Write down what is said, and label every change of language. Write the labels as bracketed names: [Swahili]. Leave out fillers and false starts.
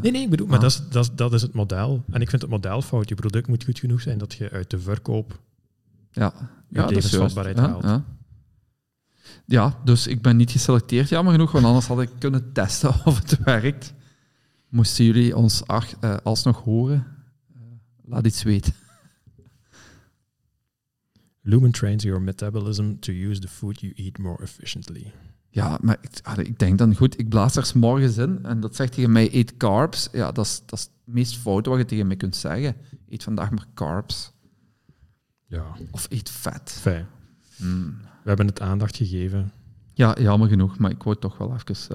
[Dutch] Nee, ik bedoel, maar dat is het model. En ik vind het model fout. Je product moet goed genoeg zijn dat je uit de verkoop... Ja, dat is vastbaarheid haalt. Ja. Ja, dus ik ben niet geselecteerd, jammer genoeg, want anders had ik kunnen testen of het werkt. Moesten jullie ons alsnog horen, laat iets weten. [English] Lumen trains your metabolism to use the food you eat more efficiently. [Dutch] Ja, maar ik denk dan, goed, ik blaas er 's morgens in en dat zegt tegen mij, eet carbs. Ja, dat is het meest fout wat je tegen mij kunt zeggen. Eet vandaag maar carbs. Ja. Of eet vet. Fijn. We hebben het aandacht gegeven. Ja, jammer genoeg, maar ik wou toch wel even...